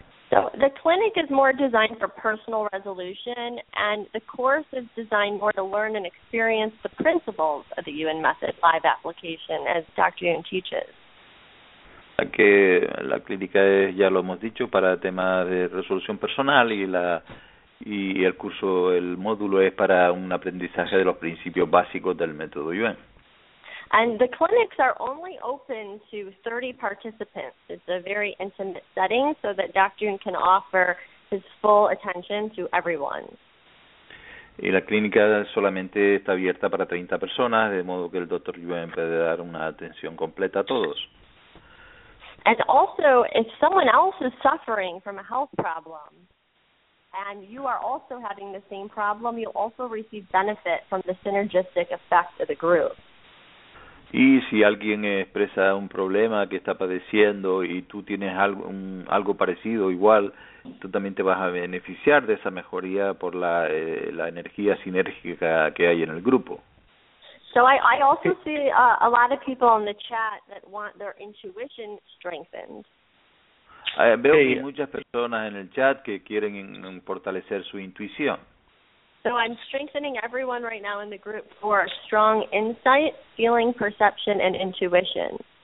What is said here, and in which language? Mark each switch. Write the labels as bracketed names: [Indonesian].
[English] So the clinic is more designed for personal resolution, and the course is designed more to learn and experience the principles of the UN method live application, as Dr. Yun teaches. [Spanish] Que la clínica es, ya lo hemos dicho, para temas de resolución personal, y el curso, el módulo es para un aprendizaje de los principios básicos del método UN. [English] And the clinics are only open to 30 participants. It's a very intimate setting so that Dr. Yun can offer his full attention to everyone. [Spanish] Y la clínica solamente está abierta para 30 personas, de modo que el Dr. Yuen puede dar una atención completa a todos. [English] And also, if someone else is suffering from a health problem and you are also having the same problem, you'll also receive benefit from the synergistic effect of the group. [Spanish] Y si alguien expresa un problema que está padeciendo y tú tienes algo parecido, igual, tú también te vas a beneficiar de esa mejoría por la energía sinérgica que hay en el grupo. [English] So I also see a lot of people in the chat that want their intuition strengthened. [Spanish] Veo que hay muchas personas en el chat que quieren fortalecer su intuición. [English] So I'm strengthening everyone right now in the group for strong insight, feeling, perception, and intuition.